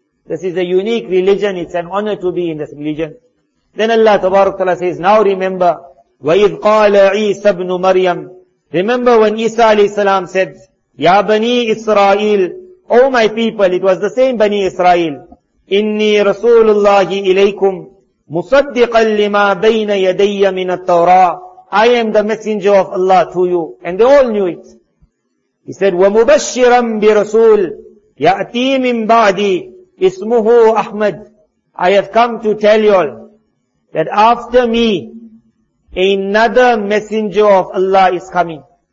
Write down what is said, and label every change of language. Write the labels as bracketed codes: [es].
[en] This is a unique religion. It's an honor to be in this religion. Then Allah Tabarak Ta'ala says, now remember, [ar] وَإِذْ قَالَ عِيسَى بْنُ مَرْيَمْ [en] Remember when Isa alayhi salam said, [ar] يَا بَنِي إِسْرَائِيلِ [en] O my people, it was the same Bani Israel. [ar] إِنِّي رَسُولُ اللَّهِ إِلَيْكُمْ مُصَدِّقًا لِمَا بَيْنَ يَدَيَّ مِنَ التَّوْرَاةِ [en] I am the messenger of Allah to you. And they all knew it. He said, [ar] وَمُبَشِّرًا بِرَسُولِ يَأْتِي مِنْ بَعْدِي إِسْمُهُ أَحْمَدْ [en] I have come to tell you all that after me, another messenger of Allah is coming.